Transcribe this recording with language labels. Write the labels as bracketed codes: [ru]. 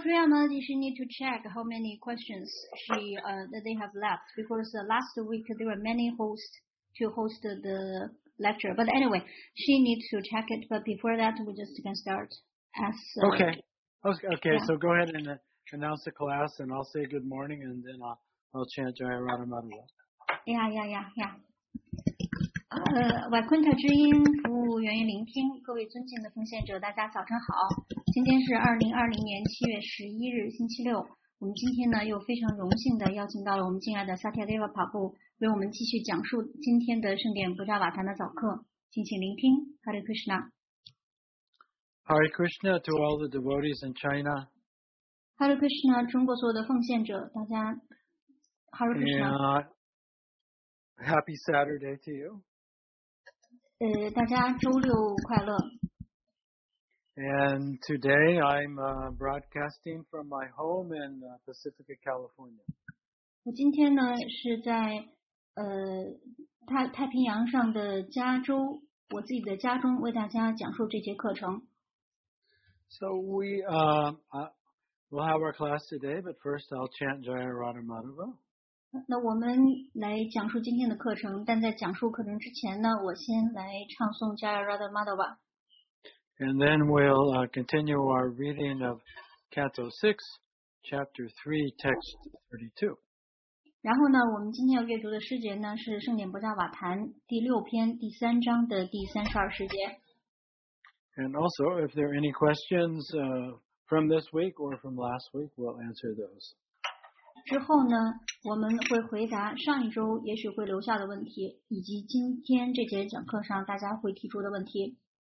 [en] Priya Maharaji, she need to check how many questions she that they have left, because last week there were many hosts to host the lecture. But anyway, she needs to check it. But before that, we just can start as okay. Okay, yeah. So go ahead and announce the class, and I'll say good morning, and then I'll chant Jaya Radha Madhava. [zh] Yeah. Vaikuntha 之音，服务源于聆听。各位尊敬的奉献者，大家早晨好。今天是2020年7月11日，星期六。我们今天呢，又非常荣幸的邀请到了我们敬爱的 Satyadeva 帕布，为我们继续讲述今天的圣典布扎瓦坛的早课。敬请聆听 ，Hare Krishna。 [en] Hare Krishna to all the devotees in China. [zh] Hare Krishna, 中国所有的奉献者，大家。Hare Krishna. [en] Happy Saturday to you. [zh] 大家周六快乐。 [en] And today I'm broadcasting from my home in Pacifica, California. [zh] 我今天呢是在太平洋上的加州，我自己的家中为大家讲述这节课程。 [en] So we we'll have our class today, but first I'll chant Jaya Radha Madhava. [zh] 那我们来讲述今天的课程，但在讲述课程之前呢，我先来唱诵 Jaya Radha Madhava. [en] And then we'll continue our reading of Canto 6, Chapter 3, Text 32. [zh] 然后呢，我们今天要阅读的诗节呢是《圣典波迦瓦坛》第六篇第三章的第32诗节。 [en] And also, if there are any questions from this week or from last week, we'll answer those. [zh] 之后呢，我们会回答上一周也许会留下的问题，以及今天这节讲课上大家会提出的问题。